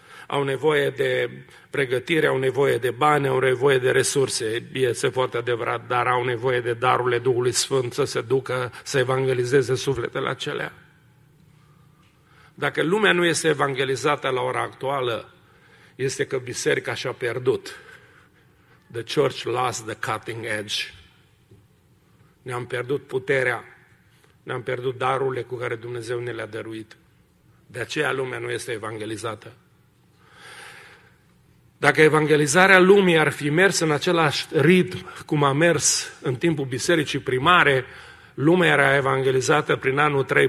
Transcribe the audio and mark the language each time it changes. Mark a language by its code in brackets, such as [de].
[ro] Au nevoie de pregătire, au nevoie de bani, au nevoie de resurse, este foarte adevărat, dar au nevoie de darurile Duhului Sfânt să se ducă să evangelizeze sufletele acelea. Dacă lumea nu este evangelizată la ora actuală, este că biserica și-a pierdut. [en] The church lost the cutting edge. [ro] Ne-am pierdut puterea, ne-am pierdut darurile cu care Dumnezeu ne le-a dăruit. De aceea lumea nu este evangelizată. Dacă evangelizarea lumii ar fi mers în același ritm cum a mers în timpul bisericii primare, lumea era evangelizată prin anul 3-400.